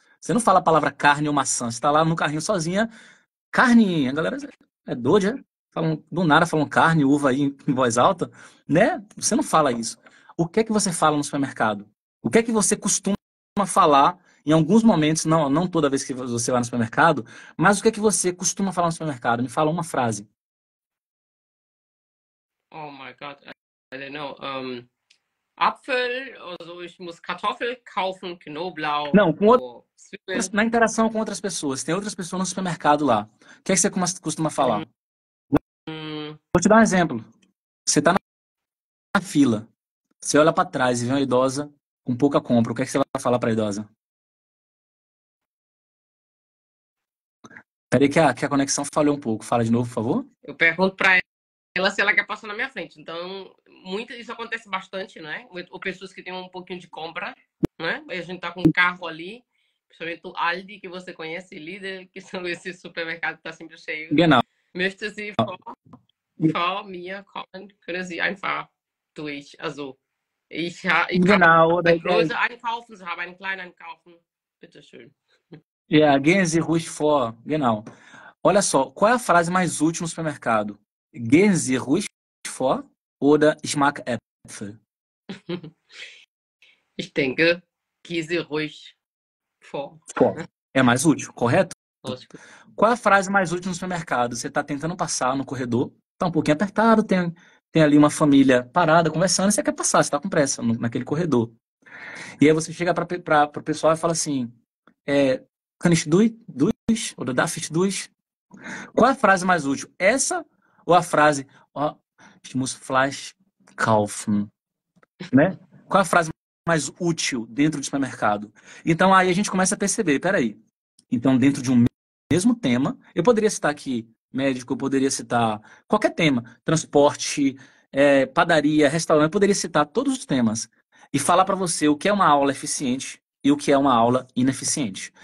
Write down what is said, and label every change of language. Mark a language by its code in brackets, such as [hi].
[pt] Você não fala a palavra carne ou maçã. Você está lá no carrinho sozinha. Carne, a galera é doida, falam do nada, falam carne, uva aí em voz alta, né? Você não fala isso. O que é que você fala no supermercado? O que é que você costuma falar em alguns momentos, não toda vez que você vai no supermercado, mas o que é que você costuma falar no supermercado? Me fala uma frase. [en] Oh my God, I don't know. [de] Apfel, also ich muss Kartoffel kaufen, Knoblauch, [pt] Não, com outras, [de] oh, Zwiebeln. [pt] na interação com outras pessoas. Tem outras pessoas no supermercado lá. O que é que você costuma falar? Te dar um exemplo. Você está na fila. Você olha para trás e vê uma idosa com pouca compra. O que é que você vai falar para a idosa? Peraí que a conexão falhou um pouco. Fala de novo, por favor. Eu pergunto para ela quer passar na minha frente. Então, muito isso acontece bastante, né? Ou pessoas que têm um pouquinho de compra, né? Aí a gente tá com um carro ali principalmente o Aldi, que você conhece, Lidl, que são esses supermercados que estão sempre cheios. [de] Genau. Möchte sie vor mir kommen, können Sie einfach durch, also ich habe Genau, oder große Einkaufen, Sie haben einen kleinen Einkaufen, bitte schön. Ja, gehen Sie ruhig vor. Genau. [pt] Olha só, qual é a frase mais útil no supermercado? [de] Gehen Sie ruhig vor oder ich mag Äpfel? Ich denke, gehe sie ruhig vor. [pt] Vor. É mais útil, correto? Lógico. Qual é a frase mais útil no supermercado? Você está tentando passar no corredor, está um pouquinho apertado, tem ali uma família parada conversando, e você quer passar, você está com pressa no, naquele corredor. E aí você chega para o pessoal e fala assim: é, [de] Kann ich durch? Oder darf ich durch? [pt] Qual é a frase mais útil? Essa ou a frase: oh, [de] ich muss Fleisch kaufen? [pt] Né? Qual é a frase mais útil dentro do supermercado? Então aí a gente começa a perceber: peraí. Então, dentro de um mesmo tema, eu poderia citar aqui médico, eu poderia citar qualquer tema, transporte, é, padaria, restaurante, eu poderia citar todos os temas e falar para você o que é uma aula eficiente e o que é uma aula ineficiente.